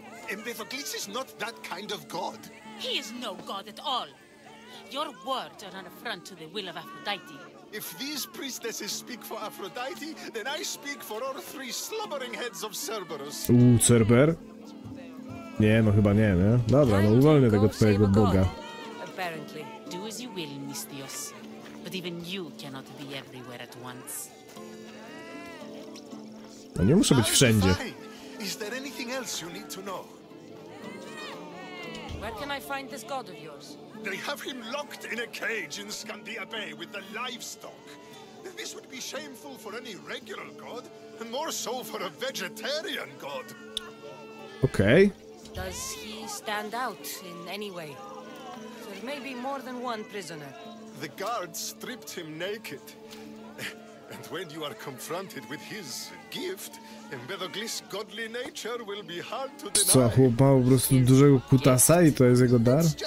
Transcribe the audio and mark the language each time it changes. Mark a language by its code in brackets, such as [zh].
[en] Empedocles is not that kind of god. He is no god at all. Your words are an affront to the will of Aphrodite. If these priestesses speak for Aphrodite, then I speak for all three slobbering heads of Cerberus. [pl] Cerber? Nie, no chyba nie, nie? Dobra, no uwolnię tego twojego boga. [en] Apparently, do as you will, Mistios. But even you cannot be everywhere at once. [pl] No nie muszę być wszędzie. [en] Is there anything else you need to know? Where can I find this god of yours? They have him locked in a cage in Scandia Bay with the livestock. This would be shameful for any regular god, and more so for a vegetarian god. Okay. Does he stand out in any way? There may be more than one prisoner. The guards stripped him naked. And when you are confronted with his gift, Empedocles' godly nature will be hard to deny. [pl] Co, chłop ma po prostu dużego kutasa i to jest jego dar?